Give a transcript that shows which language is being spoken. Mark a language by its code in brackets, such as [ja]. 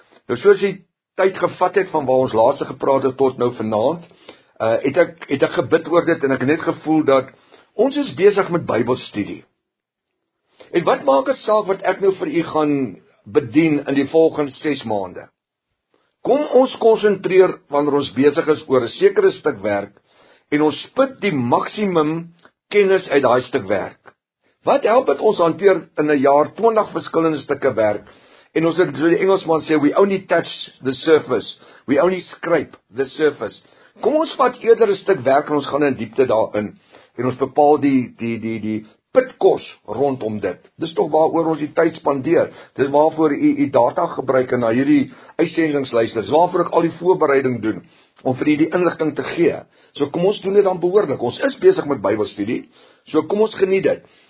[af] Nou soos die tyd gevat het, van waar ons laatste gepraat het, tot nou vanavond, het ek gebid oor dit, en ek net gevoel dat, ons is bezig met Bybelstudie. En wat maak het saak wat ek nou vir u gaan bedien in die volgende 6 maande? Kom ons concentreer wanneer ons bezig is oor een sekere stuk werk, en ons put die maximum kennis uit die stuk werk. Wat help het ons hanteer in 'n jaar 20 verskillende stukke werk, en ons het, so die Engelsman sê, [en] we only touch the surface, [af] we only scrape the surface. Kom ons vat eerder een stuk werk en ons gaan in diepte daarin, en ons bepaal die pitkos rondom dit. Dis toch waar oor ons die tyd spandeer, dis waarvoor u data gebruik en na hierdie uitsendingslijst, dis waarvoor ek al die voorbereiding doen, om vir u die inligting te gee. So kom ons doen dit dan behoorlik, ons is bezig met Bybelstudie, so kom ons geniet dit.